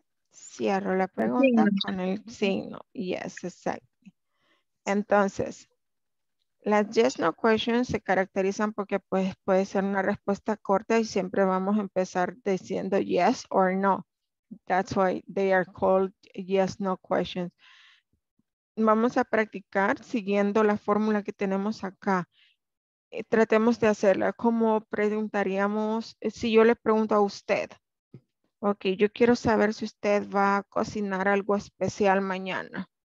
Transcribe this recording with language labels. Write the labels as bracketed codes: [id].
[es] Cierro la pregunta con el signo. [en] Yes, exactly. [es] Entonces, las yes no questions se caracterizan porque pues, puede ser una respuesta corta y siempre vamos a empezar diciendo yes or no. [en] That's why they are called yes no questions. [es] Vamos a practicar siguiendo la fórmula que tenemos acá. Tratemos de hacerla como preguntaríamos, si yo le pregunto a usted. Ok, yo quiero saber si usted va a cocinar algo especial mañana.